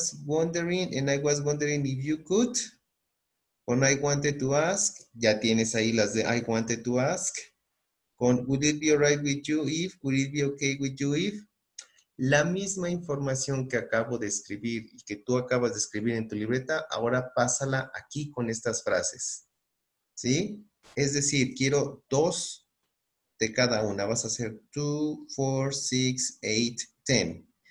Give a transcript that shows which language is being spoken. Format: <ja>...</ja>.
<en>I was wondering if you could. Con I wanted to ask.</en> <es>Ya tienes ahí las de</es> <en>I wanted to ask. Con would it be alright with you if. Would it be okay with you if.</en> <es>La misma información que acabo de escribir y que tú acabas de escribir en tu libreta, ahora pásala aquí con estas frases. ¿Sí? Es decir, quiero dos de cada una. Vas a hacer 2, 4, 6, 8, 10.</es>